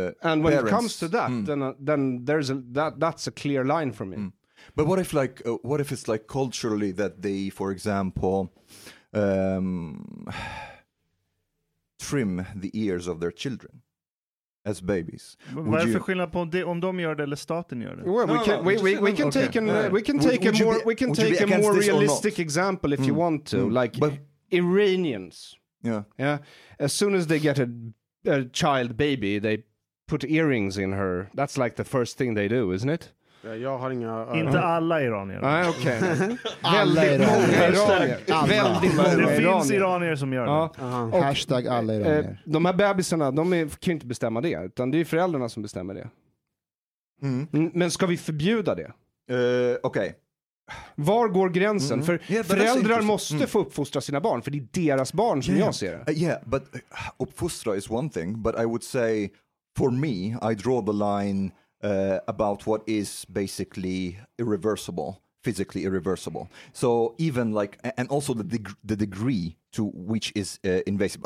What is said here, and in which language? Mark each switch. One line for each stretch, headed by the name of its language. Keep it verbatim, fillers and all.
English: and when parents... it comes to that, mm. then uh, then there's a, that that's a clear line for me. Mm. But what if like uh, what if it's like culturally that they, for example. Um, trim the ears of their children as babies.
Swedish: Vad är för skillnad på det, om de gör det eller staten gör det?
English: Well, we can we we we can take an we can take a more we can take a more realistic example if mm. you want to, mm. like but, Iranians. Yeah, yeah. As soon as they get a, a child baby, they put earrings in her. That's like the first thing they do, isn't it?
Swedish: Jag har inga inte alla iranier. Nej, okej. Väldigt många iranier. Väldigt många iranier. Det finns iranier som gör det. Ja. Och, hashtag alla iranier. De här bebisarna, de är, kan ju inte bestämma det. Utan det är föräldrarna som bestämmer det. Mm. Men ska vi förbjuda det? Uh, okej. Okay. Var går gränsen? Mm. För yeah, föräldrar måste mm. få uppfostra sina barn. För det är deras barn som
English: yeah.
Swedish: jag ser det.
English: Uh, yeah, but uppfostra is one thing. But I would say, for me, I draw the line... Uh, about what is basically irreversible, physically irreversible. So even like, and also the deg- the degree to which is uh, invasive.